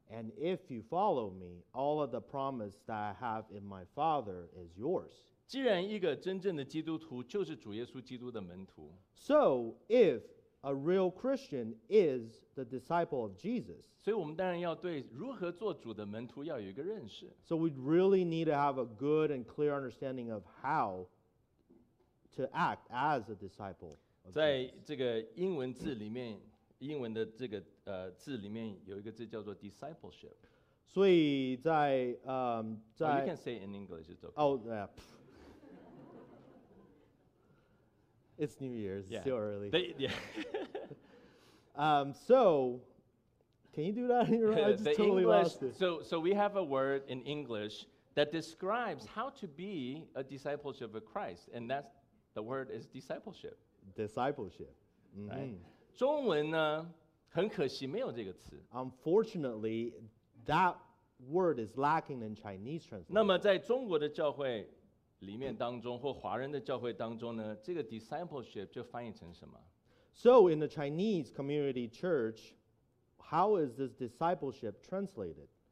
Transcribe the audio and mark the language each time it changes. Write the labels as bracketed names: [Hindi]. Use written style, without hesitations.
[English] And if you follow me, all of the promise that I have in my Father is yours. [Chinese] 既然一个真正的基督徒就是主耶稣基督的门徒。 [English] So if a real Christian is the disciple of Jesus. [Chinese] 所以我们当然要对如何做主的门徒要有一个认识。 [English] So we really need to have a good and clear understanding of how to act as a disciple of Jesus. [Chinese] 在这个英文字里面 英文的这个字里面有一个字叫做 discipleship. 所以在在 [English] you can say in English, it's okay. Oh, yeah. It's New Year's, yeah. Still early. So, can you do that in your own? I just totally English, lost it. So we have a word in English that describes how to be a discipleship of Christ, and that's the word is discipleship. Discipleship. Mm-hmm. Right? [Chinese] 中文呢，很可惜没有这个词。 [English] Unfortunately, that word is lacking in Chinese translation. [Chinese] 那么在中国的教会里面当中，或华人的教会当中呢，这个 discipleship 就翻译成什么？ [English] So in the Chinese community church, how is this discipleship translated?